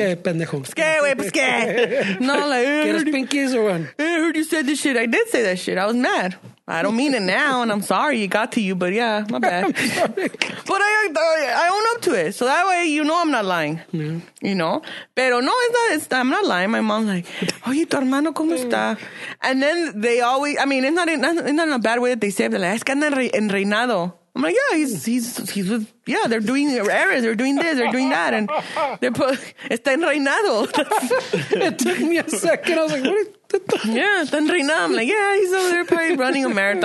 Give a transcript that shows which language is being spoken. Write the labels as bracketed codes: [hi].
[es] ¿Qué, pendejo? ¿Qué, wey, pues qué? No, like, ¿quieres pinkies [en] or one? I heard you said this shit. I did say that shit. I was mad. I don't mean it now, and I'm sorry it got to you, but yeah, my bad. But I own up to it, so that way you know I'm not lying. Yeah. You know? Pero no, I'm not lying. My mom's like, [es] oye, tu hermano, ¿cómo está? [en] And then they always, I mean, it's not in a bad way that they say it, they're like, [es] es que anda en reinado. [en] I'm like, yeah, he's with, yeah, they're doing errands, they're doing this, they're doing that, and they're put, [es] está en reinado. [en] It took me a second, I was like, what? Yeah, then Rina, I'm like, yeah, he's over there probably running a marathon.